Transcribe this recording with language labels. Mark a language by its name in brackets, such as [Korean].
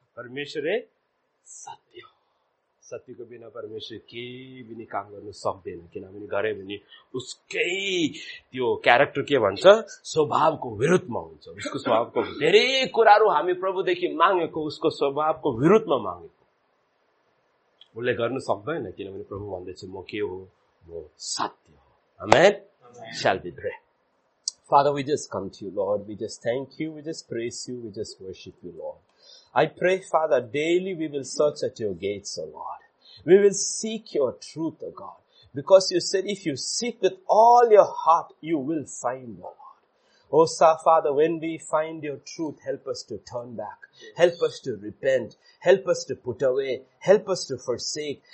[Nepali] परमेश्वरे सत्य हो. सत्यको बिना परमेश्वर केही पनि काम गर्नु सक्दैन. किनभने गरे भने उसकै त्यो क्यारेक्टर के भन्छ? स्वभावको विरुद्धमा हुन्छ. उसको स्वभावको धेरै कुराहरू हामी प्रभुदेखि मागेको उसको स्वभावको विरुद्धमा मागेको उसले गर्नु सक्दैन. किनभने प्रभु भन्दैछ म के हो? म सत्य हो. आमेन. [English] Shall be pray. Father, we just come to you Lord, we just thank you, we just praise you, we just worship you Lord. I pray, Father, daily we will search at your gates, O Lord. We will seek your truth, O God. Because you said if you seek with all your heart, you will find, O Lord. O Father, when we find your truth, help us to turn back. Help us to repent. Help us to put away. Help us to forsake.